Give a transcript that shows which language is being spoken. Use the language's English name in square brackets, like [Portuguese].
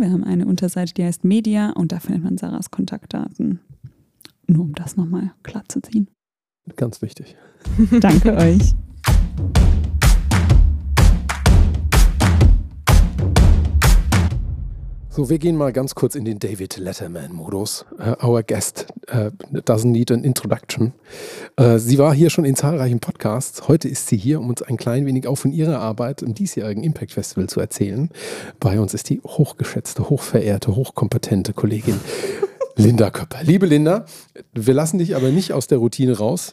[German] Wir haben eine Unterseite, die heißt Media und da findet man Sarahs Kontaktdaten. Nur um das nochmal klar zu ziehen. Ganz wichtig. Danke euch. So, wir gehen mal ganz kurz in den David Letterman-Modus. [English] Our guest doesn't need an introduction. [German] Sie war hier schon in zahlreichen Podcasts. Heute ist sie hier, um uns ein klein wenig auch von ihrer Arbeit im diesjährigen Impact Festival zu erzählen. Bei uns ist die hochgeschätzte, hochverehrte, hochkompetente Kollegin Linda Köpper. Liebe Linda, wir lassen dich aber nicht aus der Routine raus.